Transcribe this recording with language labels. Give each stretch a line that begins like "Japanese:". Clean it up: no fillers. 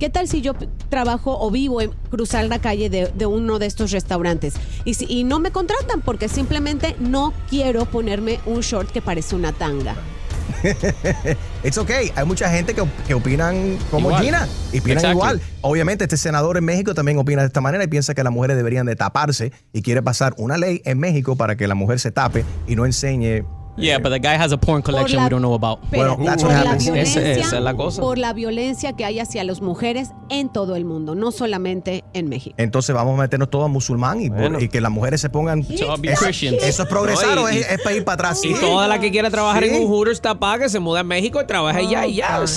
Spanish: ¿Qué tal si yo trabajo o vivo en cruzar la calle de uno de estos restaurantes y no me contratan porque simplemente no quiero ponerme un short que parece una tanga?
English: It's okay.
Spanish: Hay mucha gente que opinan como igual. Gina y opinan
English: exactly.
Spanish: Igual. Obviamente este senador en México también opina de esta manera y piensa que las mujeres deberían de taparse y quiere pasar una ley en México para que la mujer se tape y no enseñe.
English: Yeah, but the guy has a porn collection we don't know about.
Spanish: Pero,
English: well, that's what happens.
Spanish: Esa es la cosa. Por la violencia que hay hacia las mujeres en todo el mundo, no solamente en México. Entonces vamos a meternos todos a musulmán y que las mujeres se pongan... Eso es progresar o es para ir para atrás. Y toda la que quiera trabajar en un Hooters tapa que se muda a México y trabaja allá y ya.